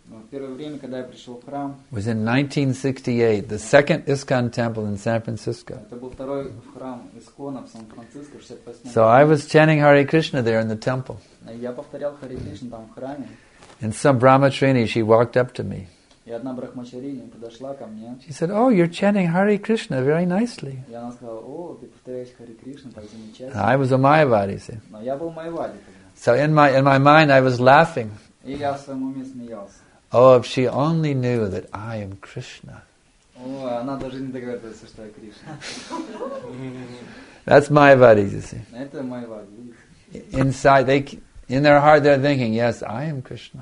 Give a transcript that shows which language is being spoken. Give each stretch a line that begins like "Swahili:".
Russian: Первое время, когда я пришел в храм.
English: Was in 1968, the second ISKCON temple in San Francisco.
Russian: Это был второй храм ИСККОНа в Сан-Франциско в 68.
English: So I was chanting Hare Krishna there in the temple.
Russian: Я повторял Hare Krishna там в храме.
English: And some Brahmacharini, she walked up to me.
Russian: И одна брахмачарини подошла ко мне.
English: She said, "Oh, you're chanting Hare Krishna very nicely."
Russian: И она сказала, "О, ты повторяешь Hare Krishna так замечательно."
English: And I was a Mayavadi.
Russian: Но я был Mayavadi.
English: So in my mind, I was laughing.
Russian: И я в своем уме смеялся.
English: Oh, if she only knew that I am Krishna.
Russian: О, она даже не догадывается, что я Кришна.
English: That's Mayavadi, you see.
Russian: Это Mayavadi.
English: Inside, in their heart, they're thinking, "Yes, I am Krishna."